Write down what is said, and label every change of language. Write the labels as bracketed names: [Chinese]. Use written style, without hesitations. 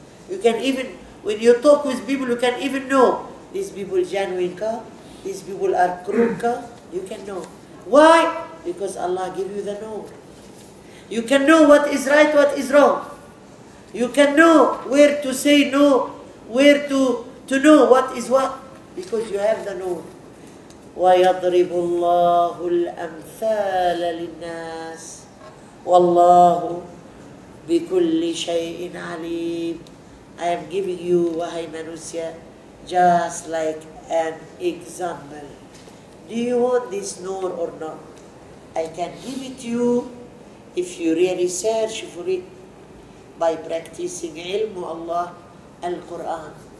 [English] You can even, when you talk with people, you can even know, these people genuine ka, these people are crook ka, you can know. Why? Because Allah give you the nur. You can know what is right, what is wrong. You can know where to say no, where to know what is what, because you have the nur. [Arabic] ويضرب الله الأمثال للناس والله بكل شيء عليم. [English] I am giving you, [Malay] wahai manusia, [English] just like an example. Do you want this nur or not? I can give it to you if you really search for it. by practicing ilmu Allah Al-Quran.